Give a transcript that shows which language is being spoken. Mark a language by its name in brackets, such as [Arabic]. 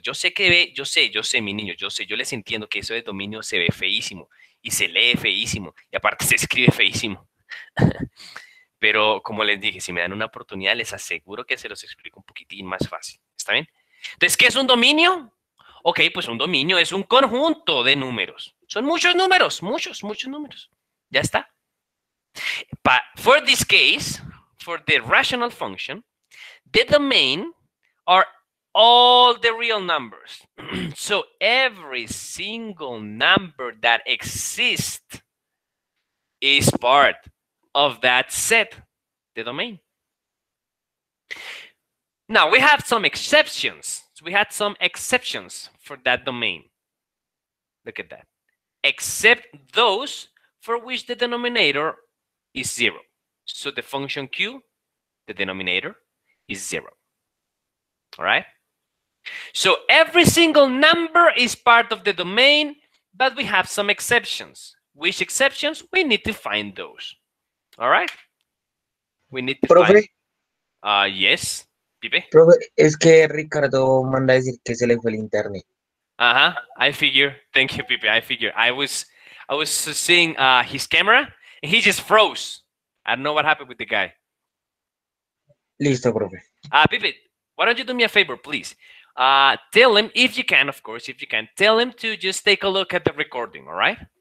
[Spanish] Yo sé, mi niño, yo les entiendo que eso de dominio se ve feísimo y se lee feísimo y aparte se escribe feísimo. Pero como les dije, si me dan una oportunidad, les aseguro que se los explico un poquitín más fácil. ¿Está bien? Entonces, ¿qué es un dominio? Ok, pues un dominio es un conjunto de números. Son muchos números, muchos números. Ya está. [English] But for this case, for the rational function, the domain are all the real numbers. So every single number that exists is part of that set, the domain. Now, we have some exceptions. We had some exceptions for that domain. Look at that. Except those for which the denominator is zero. So the function q, the denominator, is zero. All right? So every single number is part of the domain, but we have some exceptions. Which exceptions? We need to find those. All right? We need to [Spanish] Profe. [English] Find... Yes. [Spanish] Profe, es que Ricardo manda a decir que se le fue el internet. [English] I figure. Thank you, Pipe. I figure. I was seeing his camera and he just froze. I don't know what happened with the guy. [Spanish] Listo, profe. [English] Pipe, why don't you do me a favor, please? Tell him if you can, of course, if you can, tell him to just take a look at the recording, all right?